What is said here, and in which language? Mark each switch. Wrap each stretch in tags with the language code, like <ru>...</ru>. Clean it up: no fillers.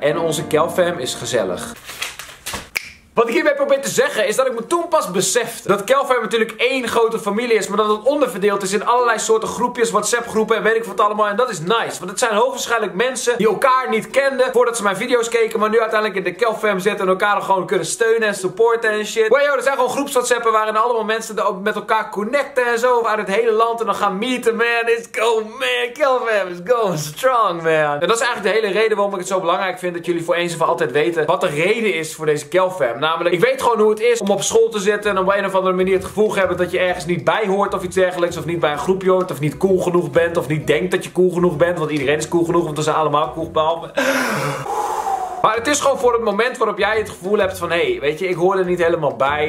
<nl>En onze Kelfam is gezellig. Wat ik hierbij probeer te zeggen is dat ik me toen pas besefte dat Kelvin natuurlijk één grote familie is, maar dat het onderverdeeld is in allerlei soorten groepjes, WhatsApp groepen en weet ik wat allemaal. En dat is nice, want het zijn hoogwaarschijnlijk mensen die elkaar niet kenden voordat ze mijn video's keken, maar nu uiteindelijk in de Kelvin zitten en elkaar gewoon kunnen steunen en supporten en shit. Wow, er zijn gewoon groeps WhatsApp'en waarin allemaal mensen er ook met elkaar connecten en zo uit het hele land en dan gaan meeten, man.</nl> <en>It's going, man. Kelvin is going strong, man.</en> <nl>En dat is eigenlijk de hele reden waarom ik het zo belangrijk vind dat jullie voor eens en voor altijd weten wat de reden is voor deze Kelvin. Namelijk, ik weet gewoon hoe het is om op school te zitten en op een of andere manier het gevoel te hebben dat je ergens niet bij hoort of iets dergelijks. Of niet bij een groepje hoort, of niet cool genoeg bent, of niet denkt dat je cool genoeg bent. Want iedereen is cool genoeg, want we zijn allemaal cool behalve. Maar het is gewoon voor het moment waarop jij het gevoel hebt van, hey, weet je, ik hoor er niet helemaal bij.</nl>